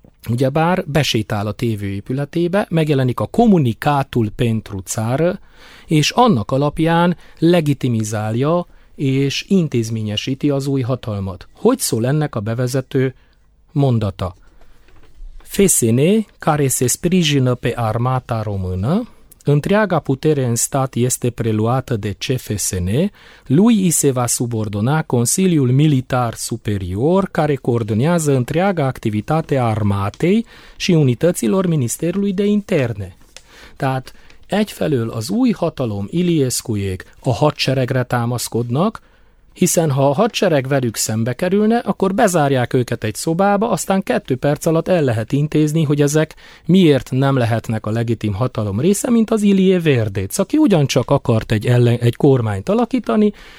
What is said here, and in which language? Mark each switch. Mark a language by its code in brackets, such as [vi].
[hu] ugyebár besétál a tévőépületébe, megjelenik a Kommunikátul Pentru Țară, és annak alapján legitimizálja és intézményesíti az új hatalmat. Hogy szól ennek a bevezető mondata? [ro] Fesine, care se sprijină pe armata română, întreaga putere în stat este preluată de CFSN, lui i se va subordona Consiliul Militar Superior, care coordonează întreaga activitate a armatei și unităților Ministerului de Interne. [hu] Tehát egyfelől az új hatalom Iliescuék a hadseregre támaszkodnak, hiszen ha a hadsereg velük szembe kerülne, akkor bezárják őket egy szobába, aztán 2 perc alatt el lehet intézni, hogy ezek miért nem lehetnek a legitim hatalom része, mint az Ilie Verdéc, aki ugyancsak akart egy kormányt alakítani,